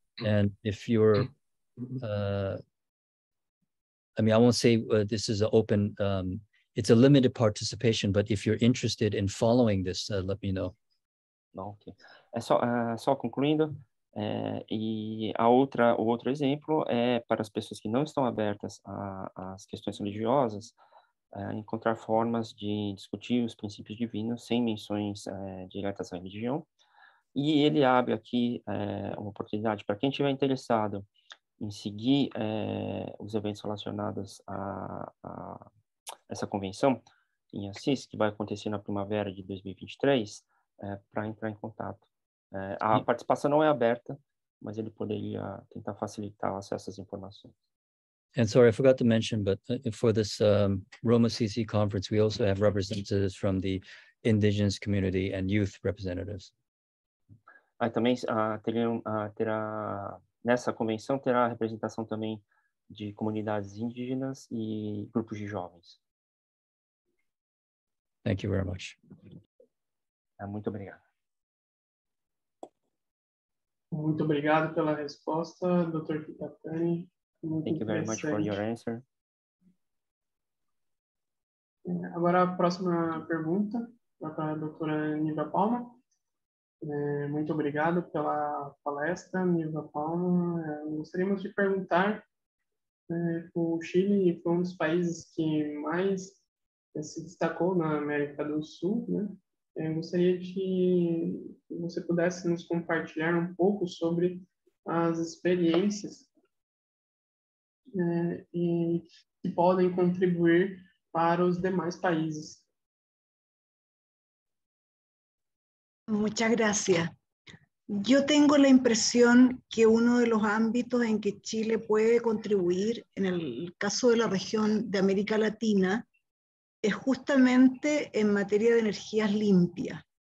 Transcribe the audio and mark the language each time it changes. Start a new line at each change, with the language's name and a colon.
English: And if you're, I won't say this is an open, it's a limited participation, but if you're interested in following this, let me know. Ok.
Portuguese: Só concluindo, o outro exemplo é para as pessoas que não estão abertas às questões religiosas, encontrar formas de discutir os princípios divinos sem menções diretas à religião. E ele abre aqui uma oportunidade para quem estiver interessado em seguir os eventos relacionados a essa convenção em Assis, que vai acontecer na primavera de 2023, para entrar em contato. A participação não é aberta, mas ele poderia tentar facilitar o acesso às informações.
English: And sorry, I forgot to mention, but for this Roma CC conference, we also have representatives from the indigenous community and youth representatives.
Portuguese: Nessa convenção terá representação também de comunidades indígenas e grupos de jovens.
English: Thank you very much.
Portuguese: Muito obrigado. Muito obrigado pela resposta, Dr. Kitatani.
English: Thank you very much for your answer.
Portuguese: Agora a próxima pergunta para a doutora Nivia Palma. Muito obrigado pela palestra, Nivia Palma. Gostaríamos de perguntar, o Chile foi um dos países que mais se destacou na América do Sul, né? Eu gostaria de que você pudesse nos compartilhar um pouco sobre as experiências que podem contribuir para os demais países.
Spanish: Muchas gracias. Yo tengo la impresión que uno de los ámbitos en que Chile puede contribuir en el caso de la región de América Latina es justamente en materia de energías limpias.